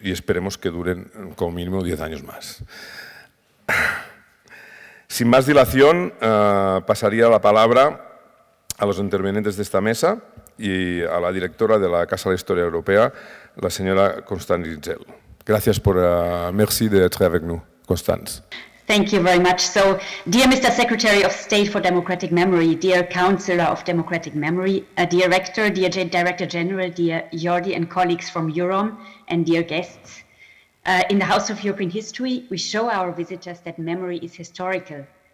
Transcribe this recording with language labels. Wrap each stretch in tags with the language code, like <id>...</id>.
<es>Y esperemos que duren como mínimo 10 años más. Sin más dilación, pasaría la palabra a los intervinientes de esta mesa, y a la directora de la Casa de la Historia Europea, la señora Constance Ritzel. Gracias por</es> <fr>merci de être avec nous,</fr> <es>Constance.</es> <en>Thank you very much. So, dear Mr. Secretary of State for Democratic Memory, dear Councillor of Democratic Memory, dear Rector, dear Director General, dear Jordi and colleagues from EUROM, and dear guests, in the House of European History, we show our visitors that memory is historical.</en>